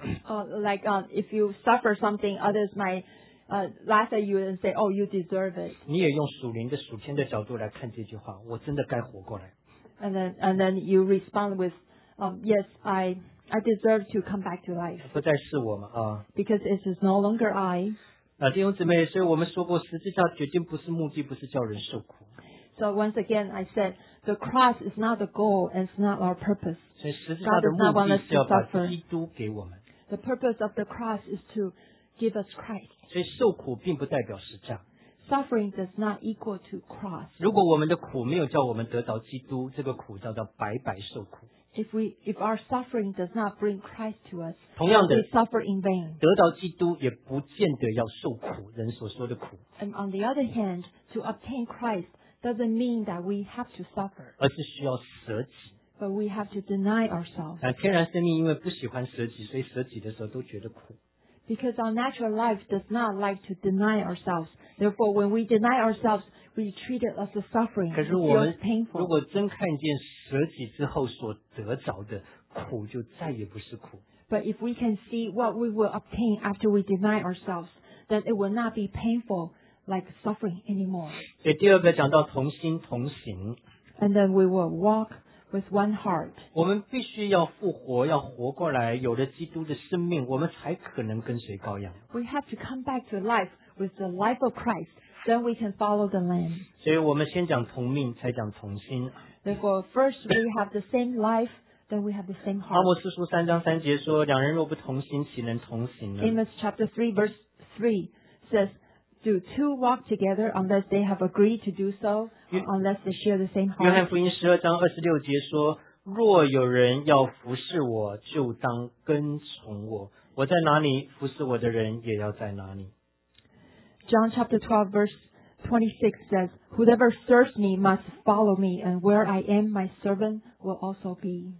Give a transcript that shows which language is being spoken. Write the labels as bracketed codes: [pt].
[en] Like if you suffer something, others might laugh at you and say, oh, you deserve it. [zh] 你也用属灵的属天的角度来看这句话我真的该活过来 [en] And then you respond with, yes, I deserve to come back to life. [zh] 不再是我嘛啊。 [en] Because it is no longer I. [zh] 啊，弟兄姊妹，所以我们说过，十字架决定不是目的，不是叫人受苦。 [en] So once again, I said the cross is not the goal and it's not our purpose. [zh] 所以十字架的目的是要把基督给我们。 [en] The purpose of the cross is to give us Christ. [zh] 所以受苦并不代表十字架。 [en] Suffering does not equal to cross. [zh] 如果我们的苦没有叫我们得着基督，这个苦叫做白白受苦。 [en] If our suffering does not bring Christ to us, [zh] 同样的 [en] we suffer in vain. [zh] 得着基督也不见得要受苦，人所说的苦。 [en] And on the other hand, to obtain Christ doesn't mean that we have to suffer. [zh] 而是需要舍己。 [en] But we have to deny ourselves. [zh] 那天然生命因为不喜欢舍己，所以舍己的时候都觉得苦。 [en] Because our natural life does not like to deny ourselves. Therefore, when we deny ourselves, we treat it as a suffering. It feels painful. [zh] 如果真看见舍己之后所得着的苦，就再也不是苦。 [en] But if we can see what we will obtain after we deny ourselves, then it will not be painful like suffering anymore. [zh] 所以第二个讲到同心同行。 [en] And then we will walk. With one heart. [zh] 我们必须要复活，要活过来，有了基督的生命，我们才可能跟随羔羊。 [en] We have to come back to life with the life of Christ, then we can follow the Lamb. [zh] 所以我们先讲同命，才讲同心。 [en] Therefore, first we have the same life, then we have the same heart. [zh] 阿摩斯书三章三节说：“两人若不同心，岂能同行呢？” [en] Amos chapter 3 verse 3 says, Do two walk together unless they have agreed to do so, unless they share the same heart? [zh] 约翰福音十二章二十六节说，若有人要服侍我，就当跟从我。我在哪里，服侍我的人也要在哪里。 [en] John chapter 12 verse 26 says, Whoever serves me must follow me, and where I am, my servant will also be.